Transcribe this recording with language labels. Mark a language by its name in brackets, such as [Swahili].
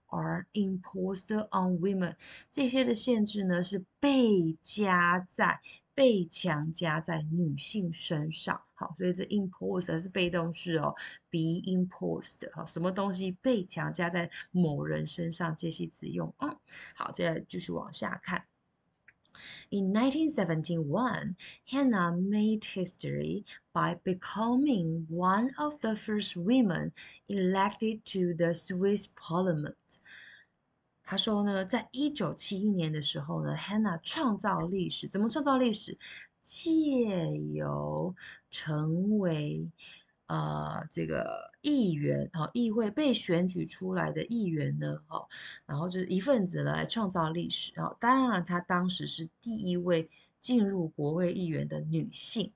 [English] are imposed on women， [Chinese] 这些的限制呢是被强加在女性身上。好，所以这 impose 是被动式哦，be imposed 好，什么东西被强加在某人身上，介系词用。好，接下来继续往下看。 [English] In 1971, Hannah made history by becoming one of the first women elected to the Swiss Parliament. [Chinese] 他说呢，在1971年的时候呢，Hannah 创造历史，怎么创造历史？借由成为这个议员啊，议会被选举出来的议员呢，哦，然后就是一份子来创造历史。然后当然，她当时是第一位进入国会议员的女性。